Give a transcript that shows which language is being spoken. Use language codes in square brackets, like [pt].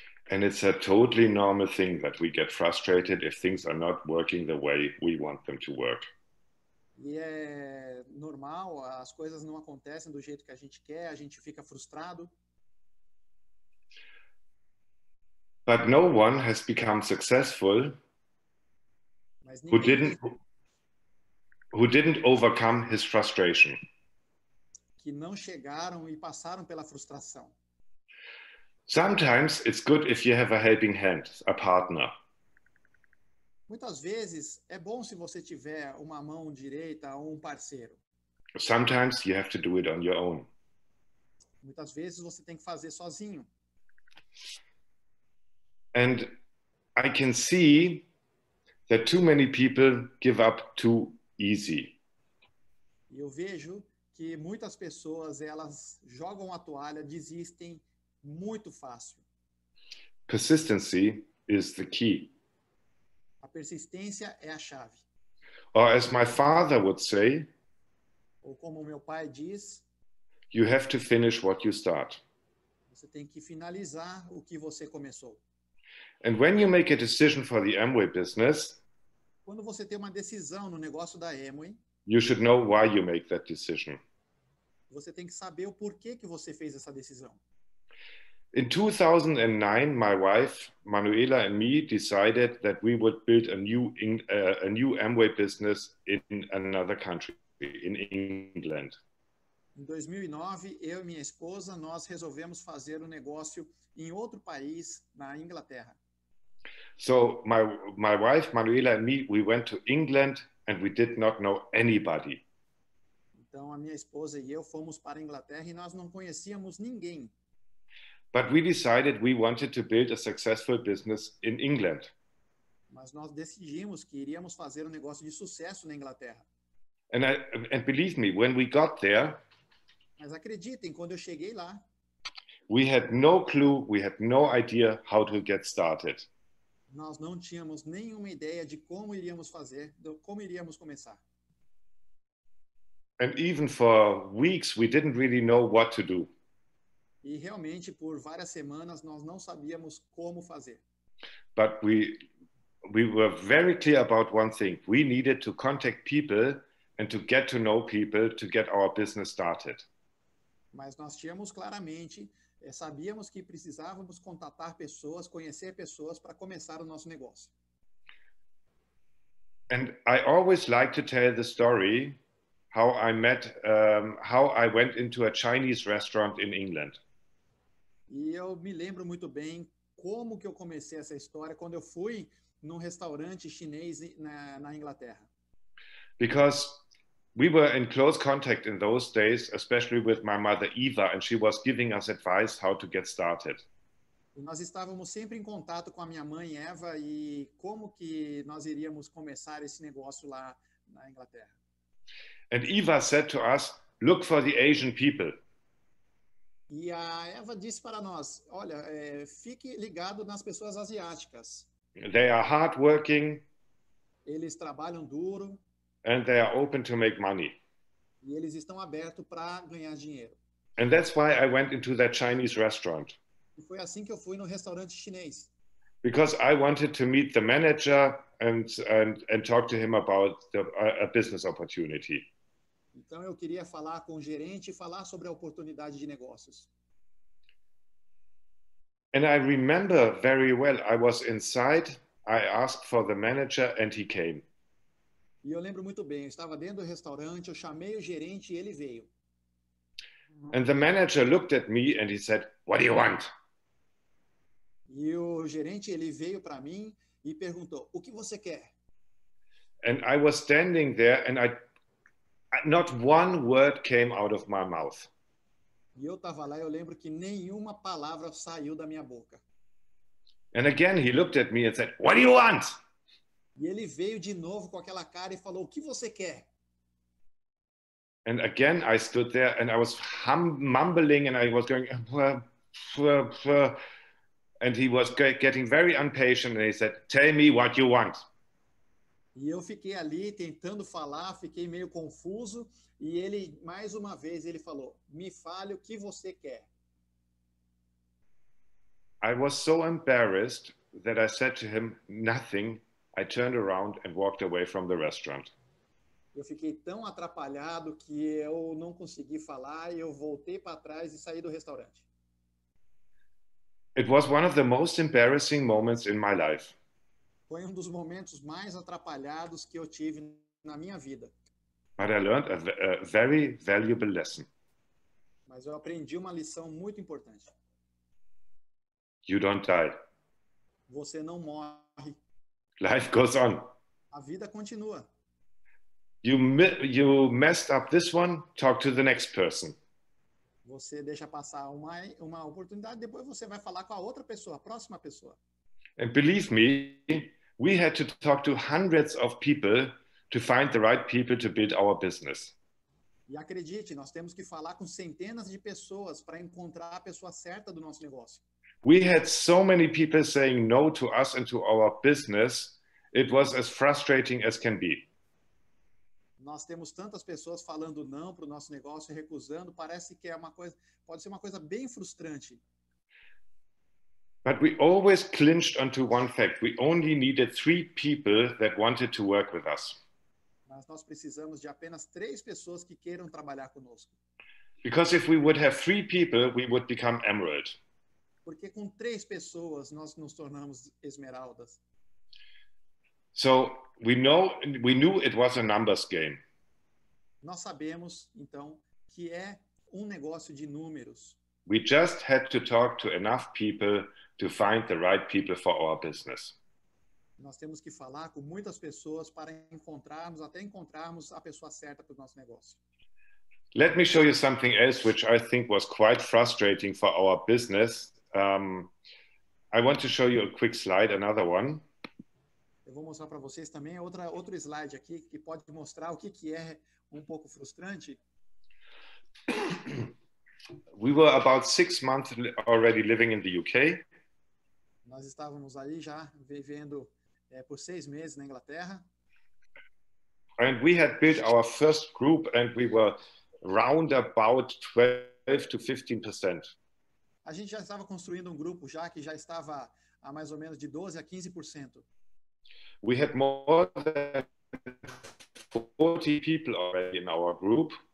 [en] And it's a totally normal thing that we get frustrated if things are not working the way we want them to work. [pt] E é normal, as coisas não acontecem do jeito que a gente quer, a gente fica frustrado. [en] But no one has become successful who didn't overcome his frustration. [pt] Que não chegaram e passaram pela frustração. [en] Sometimes it's good if you have a helping hand, a partner. [pt] Muitas vezes é bom se você tiver uma mão direita ou um parceiro. [en] Sometimes you have to do it on your own. [pt] Muitas vezes você tem que fazer sozinho. [en] And I can see that too many people give up too easy. [pt] Eu vejo que muitas pessoas, elas jogam a toalha, desistem muito fácil. [en] Persistency is the key. [pt] A persistência é a chave. [en] Or as my father would say, [pt] ou como meu pai diz, [en] you have to finish what you start. [pt] Você tem que finalizar o que você começou. [en] And when you make a decision for the Amway business, [pt] quando você tem uma decisão no negócio da Amway, [en] you should know why you make that decision. [pt] Você tem que saber o porquê que você fez essa decisão. [en] In 2009, my wife, Manuela, and me decided that we would build a new Amway business in another country, in England. [pt] Em 2009, eu e minha esposa, nós resolvemos fazer um negócio em outro país, na Inglaterra. [en] So, my wife, Manuela, and me, we went to England and we did not know anybody. [pt] Então, a minha esposa e eu fomos para a Inglaterra e nós não conhecíamos ninguém. [en] But we decided we wanted to build a successful business in England. [pt] Mas nós decidimos que iríamos fazer um negócio de sucesso na Inglaterra. [en] And believe me, when we got there, [pt] mas acreditem, quando eu cheguei lá, [en] we had no clue, we had no idea how to get started. [pt] Nós não tínhamos nenhuma ideia de como iríamos fazer, de como iríamos começar. [en] And even for weeks we didn't really know what to do. [pt] E realmente por várias semanas nós não sabíamos como fazer. [en] But we were very clear about one thing. We needed to contact people and to get to know people to get our business started. [pt] Mas nós tínhamos claramente, sabíamos que precisávamos contatar pessoas, conhecer pessoas para começar o nosso negócio. [en] And I always like to tell the story how I met, how I went into a Chinese restaurant in England. [pt] E eu me lembro muito bem como que eu comecei essa história quando eu fui num restaurante chinês na Inglaterra. [en] Because we were in close contact in those days, especially with my mother Eva, and she was giving us advice how to get started. [pt] Nós estávamos sempre em contato com a minha mãe Eva e como que nós iríamos começar esse negócio lá na Inglaterra. [en] And Eva said to us, "Look for the Asian people." [pt] E a Eva disse para nós, olha, fique ligado nas pessoas asiáticas. [en] They are hardworking. [pt] Eles trabalham duro. [en] And they are open to make money. [pt] E eles estão abertos para ganhar dinheiro. [en] And that's why I went into that Chinese restaurant. [pt] E foi assim que eu fui no restaurante chinês. [en] Because I wanted to meet the manager and talk to him about a business opportunity. [pt] Então eu queria falar com o gerente e falar sobre a oportunidade de negócios. [en] And I remember very well, I was inside, I asked for the manager and he came. [pt] E eu lembro muito bem, eu estava dentro do restaurante, eu chamei o gerente e ele veio. [en] And the manager looked at me and he said, "What do you want?" [pt] E o gerente, ele veio para mim e perguntou, "O que você quer?" [en] And I was standing there and not one word came out of my mouth. [pt] E eu estava lá e eu lembro que nenhuma palavra saiu da minha boca. [en] And again he looked at me and said, "What do you want?" [pt] E ele veio de novo com aquela cara e falou, "O que você quer?" [en] And again, I stood there and I was mumbling and I was going, bleh, bleh, bleh. And he was getting very impatient and he said, tell me what you want. [pt] E eu fiquei ali tentando falar, fiquei meio confuso. E ele, mais uma vez, ele falou, me fale o que você quer. [en] I was so embarrassed that I said to him, nothing. I turned around and walked away from the restaurant. [pt] Eu fiquei tão atrapalhado que eu não consegui falar e eu voltei para trás e saí do restaurante. [en] It was one of the most embarrassing moments in my life. [pt] Foi um dos momentos mais atrapalhados que eu tive na minha vida. [en] But I learned a very valuable lesson. [pt] Mas eu aprendi uma lição muito importante. [en] You don't die. [pt] Você não morre. [en] Life goes on. [pt] A vida continua. [en] You messed up this one, talk to the next person. [pt] Você deixa passar uma oportunidade, depois você vai falar com a outra pessoa, a próxima pessoa. [en] And believe me, we had to talk to hundreds of people to find the right people to build our business. [pt] E acredite, nós temos que falar com centenas de pessoas para encontrar a pessoa certa do nosso negócio. [en] We had so many people saying no to us and to our business, it was as frustrating as can be. [pt] Nós temos tantas pessoas falando não para o nosso negócio, recusando, parece que é uma coisa, pode ser uma coisa bem frustrante. [en] But we always clinched onto one fact. We only needed three people that wanted to work with us. [pt] Mas nós precisamos de apenas três pessoas que queiram trabalhar conosco. [en] Because if we would have three people, we would become emerald. [pt] Porque com três pessoas nós nos tornamos esmeraldas. [en] So we knew it was a numbers game. [pt] Nós sabemos então que é um negócio de números. [en] We just had to talk to enough people to find the right people for our business. [pt] Nós temos que falar com muitas pessoas para encontrarmos até encontrarmos a pessoa certa para o nosso negócio. [en] Let me show you something else which I think was quite frustrating for our business. I want to show you a quick slide, another one. [pt] Eu vou mostrar para vocês também outro slide aqui que pode mostrar o que é um pouco frustrante. [en] We were about 6 months already living in the UK. [pt] Nós estávamos aí já vivendo por 6 meses na Inglaterra. [en] And we had built our first group and we were round about 12 to 15%. [pt] A gente já estava construindo um grupo já que já estava a mais ou menos de 12 a 15%. [en] We had more than 40 people already in our group.